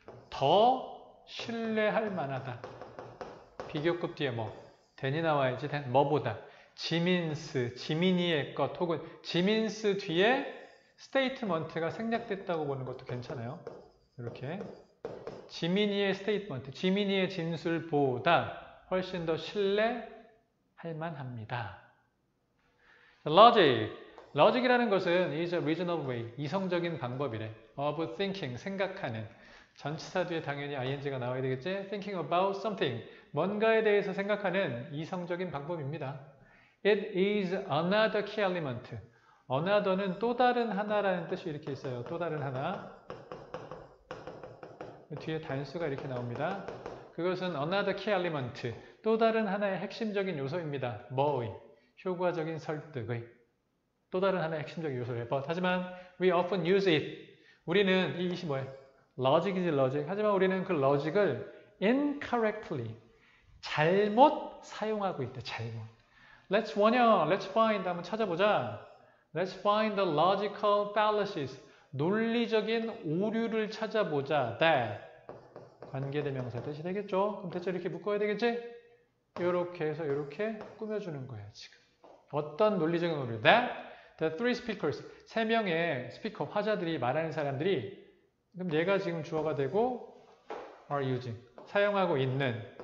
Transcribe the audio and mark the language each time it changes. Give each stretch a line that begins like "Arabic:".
Korean: 더 신뢰할 만하다. 비교급 뒤에 뭐, 된이 나와야지, 된, 뭐보다. 지민스, 지민이의 것 혹은 지민스 뒤에 스테이트먼트가 생략됐다고 보는 것도 괜찮아요. 이렇게 지민이의 스테이트먼트, 지민이의 진술보다 훨씬 더 신뢰할 만합니다. Logic, logic이라는 것은
English: is a reasonable way,
Korean: 이성적인 방법이래.
English: Of thinking,
Korean: 생각하는. 전치사 뒤에 당연히 ing가 나와야 되겠지?
English: Thinking about something,
Korean: 뭔가에 대해서 생각하는 이성적인 방법입니다.
English: It is another key element.
Korean: Another는 또 다른 하나라는 뜻이 이렇게 있어요. 또 다른 하나. 뒤에 단수가 이렇게 나옵니다. 그것은
English: another key element.
Korean: 또 다른 하나의 핵심적인 요소입니다. 뭐의? 효과적인 설득의. 또 다른 하나의 핵심적인 요소를 해봐. 하지만
English: we often use it.
Korean: 우리는 이 이것이 뭐예요? Logic이지, logic. 하지만 우리는 그 logic을 incorrectly, 잘못 사용하고 있다. 잘못.
English: Let's wonder, let's find,
Korean: 한번 찾아보자.
English: Let's find the logical fallacies.
Korean: 논리적인 오류를 찾아보자.
English: That.
Korean: 관계대명사 뜻이 되겠죠? 그럼 대체 이렇게 묶어야 되겠지? 이렇게 해서 이렇게 꾸며주는 거야, 지금. 어떤 논리적인 오류?
English: That. The three speakers.
Korean: 세 명의 스피커, 화자들이 말하는 사람들이. 그럼 얘가 지금 주어가 되고,
English: are using.
Korean: 사용하고 있는.